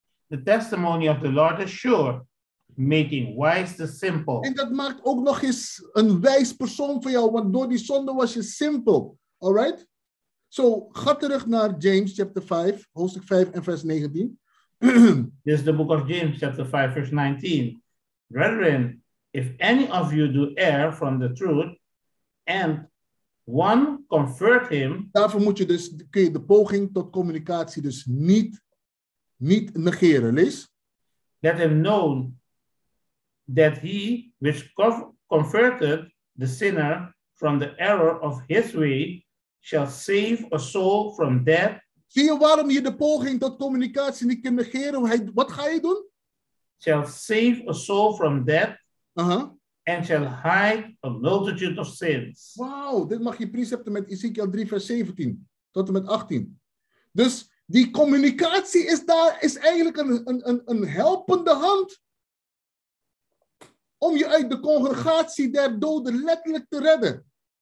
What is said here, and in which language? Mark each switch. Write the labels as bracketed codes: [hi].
[en] The testimony of the Lord is sure. Making wise the simple. [nl] En dat maakt ook nog eens een wijs persoon voor jou, want door die zonde was je simpel. Alright? So, ga terug naar James chapter 5, hoofdstuk 5 en vers 19. [en] This is the book of James chapter 5, verse 19. Brethren, if any of you do err from the truth, and one convert him. [nl] Daarvoor moet je dus, kun je de poging tot communicatie dus niet negeren. Lees. [en] Let him know that he which converted the sinner from the error of his way shall save a soul from death. [nl] Zie je waarom je de poging tot communicatie niet kunt negeren? Wat ga je doen? [en] Shall save a soul from death. Uh-huh. And shall hide a multitude of sins. [nl] Wauw, dit mag je precepten met Ezekiel 3 vers 17 tot en met 18. Dus die communicatie is eigenlijk een helpende hand om je uit de congregatie der doden letterlijk te redden.